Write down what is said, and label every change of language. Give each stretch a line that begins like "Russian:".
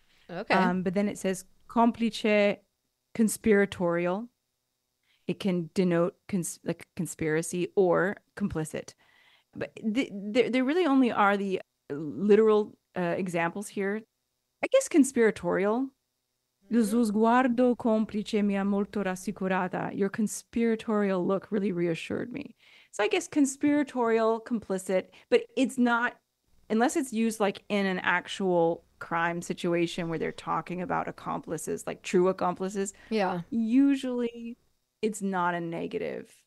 English: Okay. But then it says complice, conspiratorial. It can denote conspiracy or complicit. But there really only are the literal examples here. I guess conspiratorial.
Italian: Sguardo complice mi ha molto rassicurata.
English: Your conspiratorial look really reassured me. So I guess conspiratorial, complicit, but it's not, unless it's used like in an actual crime situation where they're talking about accomplices, like true accomplices, usually it's not a negative.